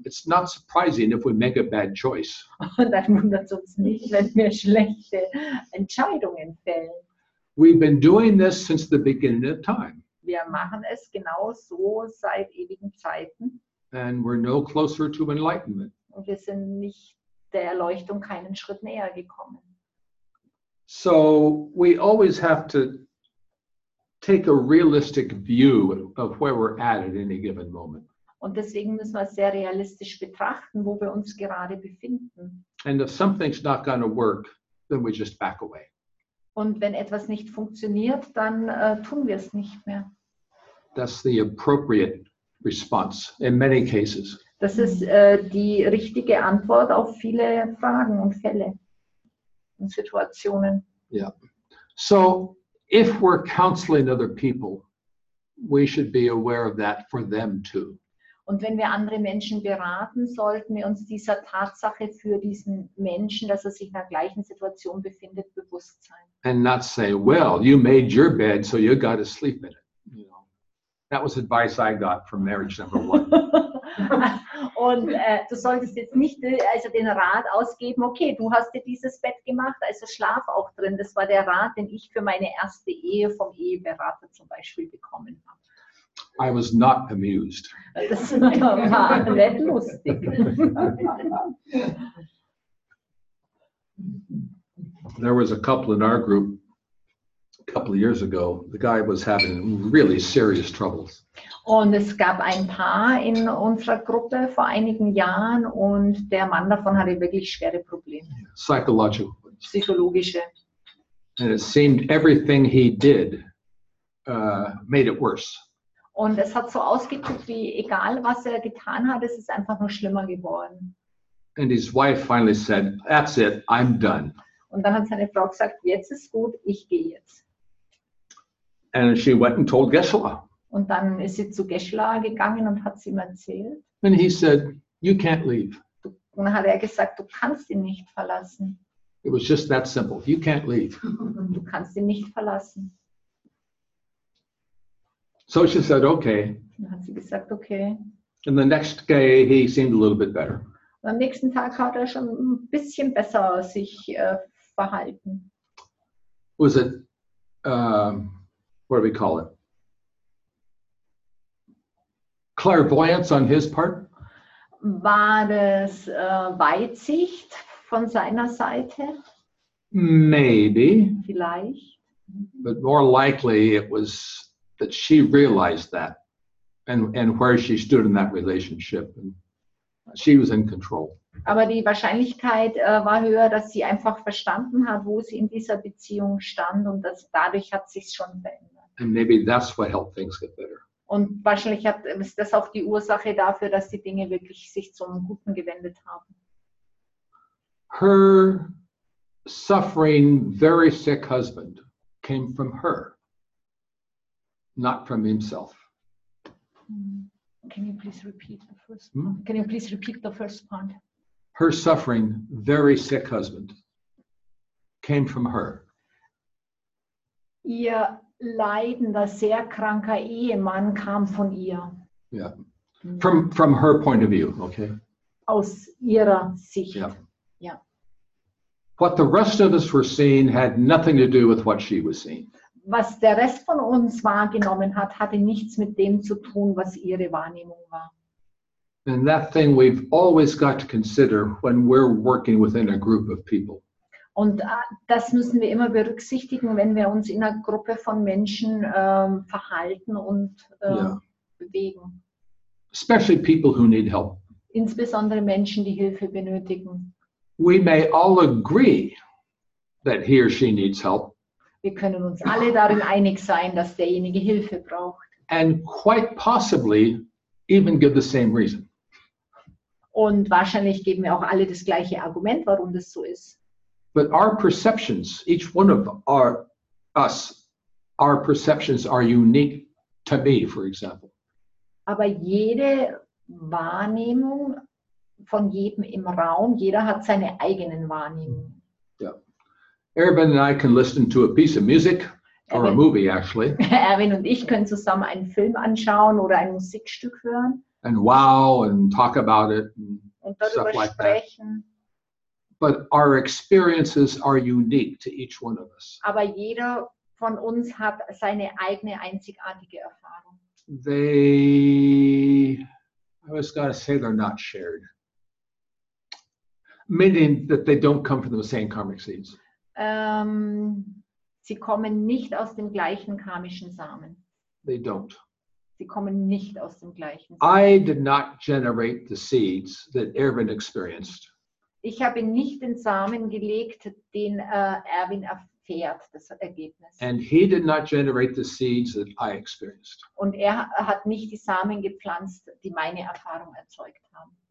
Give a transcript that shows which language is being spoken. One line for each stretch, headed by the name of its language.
English: It's not surprising if we make a bad choice.
German: Und dann wundert es uns nicht, wenn wir schlechte Entscheidungen fällen.
English: We've been doing this since the beginning of time.
German: Wir machen es genau so seit ewigen Zeiten.
English: And we're no closer to enlightenment.
German: Und wir sind nicht der Erleuchtung keinen Schritt näher gekommen.
English: So we always have to take a realistic view of where we're at any given moment.
German: Und deswegen müssen wir sehr realistisch betrachten, wo wir uns gerade befinden.
English: And if something's not going to work, then we just back away.
German: Und wenn etwas nicht funktioniert, dann tun wir es nicht mehr.
English: That's the appropriate response in many cases.
German: Das ist die richtige Antwort auf viele Fragen und Fälle und Situationen.
English: Yeah. So if we're counseling other people, we should be aware of that for them too.
German: Und wenn wir andere Menschen beraten, sollten wir uns dieser Tatsache für diesen Menschen, dass er sich in der gleichen Situation befindet, bewusst sein.
English: And not say, well, you made your bed, so you got to sleep in it. You know, that was advice I got from marriage number one.
German: Und du solltest jetzt nicht also den Rat ausgeben, okay, du hast dir dieses Bett gemacht, also schlaf auch drin. Das war der Rat, den ich für meine erste Ehe vom Eheberater zum Beispiel bekommen habe.
English: I was not amused.
German: Das war nicht lustig.
English: There was a couple in our group a couple of years ago. The guy was having really serious troubles.
German: Und es gab ein Paar in unserer Gruppe vor einigen Jahren und der Mann davon hatte wirklich schwere Probleme. Psychologische.
English: And it seemed everything he did made it worse.
German: Und es hat so ausgedrückt, wie egal, was er getan hat, es ist einfach nur schlimmer geworden.
English: And his wife finally said, that's it, I'm done.
German: Und dann hat seine Frau gesagt, jetzt ist gut, ich gehe jetzt.
English: And she went and told Geshe-la.
German: Und dann ist sie zu Geshe-la gegangen und hat sie ihm erzählt.
English: And he said, you can't leave.
German: Und dann hat er gesagt, du kannst ihn nicht verlassen.
English: It was just that simple, you can't leave.
German: Du kannst ihn nicht verlassen.
English: So she said, okay.
German: Dann hat sie gesagt, okay.
English: And the next day he seemed a little bit better.
German: Und am nächsten Tag hat er schon ein bisschen besser sich verhalten.
English: Was it, what do we call it? Clairvoyance on his part?
German: War das Weitsicht von seiner Seite?
English: Maybe.
German: Vielleicht.
English: But more likely it was that she realized that and where she stood in that relationship and she was in control.
German: Aber die Wahrscheinlichkeit war höher, dass sie einfach verstanden hat, wo sie in dieser Beziehung stand und dass dadurch hat sich schon verändert.
English: And maybe that's what helped things get better.
German: Und wahrscheinlich ist das auch die Ursache dafür, dass die Dinge wirklich sich zum Guten gewendet haben.
English: Her suffering, very sick husband came from her. Not from himself. Can you please repeat the first part? Hmm? Can you please repeat the first part? Her suffering, very sick husband, came from her.
German: Ihr leidender, sehr kranker Ehemann kam von ihr.
English: Yeah. From her point of view, okay?
German: Aus ihrer Sicht.
English: Yeah. Yeah. What the rest of us were seeing had nothing to do with what she was seeing.
German: Was der Rest von uns wahrgenommen hat, hatte nichts mit dem zu tun, was ihre Wahrnehmung war.
English: And that thing we've always got to consider when we're working within a group of people.
German: Und das müssen wir immer berücksichtigen, wenn wir uns in einer Gruppe von Menschen verhalten und bewegen.
English: Especially people who need help.
German: Insbesondere Menschen, die Hilfe benötigen.
English: We may all agree that he or she needs help.
German: Wir können uns alle darin einig sein, dass derjenige Hilfe braucht.
English: And quite possibly even give the same reason.
German: Und wahrscheinlich geben wir auch alle das gleiche Argument, warum das so ist.
English: But our perceptions, each one of us, our perceptions are unique to me, for example.
German: Aber jede Wahrnehmung von jedem im Raum, jeder hat seine eigenen Wahrnehmungen.
English: Yeah. Erwin and I can listen to a piece of music, or a movie actually.
German: Erwin und ich können zusammen einen Film anschauen oder ein Musikstück hören.
English: And wow, and talk about it, and stuff like
German: sprechen.
English: That. But our experiences are unique to each one of us.
German: Aber jeder von uns hat seine eigene einzigartige Erfahrung.
English: I was going to say they're not shared. Meaning that they don't come from the same karmic seeds.
German: Sie kommen nicht aus dem gleichen karmischen Samen.
English: They don't.
German: Sie kommen nicht aus dem gleichen Samen.
English: I did not generate the seeds that Erwin experienced.
German: Ich habe nicht den Samen gelegt, den Erwin erfährt, das Ergebnis.
English: And he did not generate the seeds that I experienced.
German: Und er hat nicht die Samen gepflanzt, die meine Erfahrung erzeugt haben.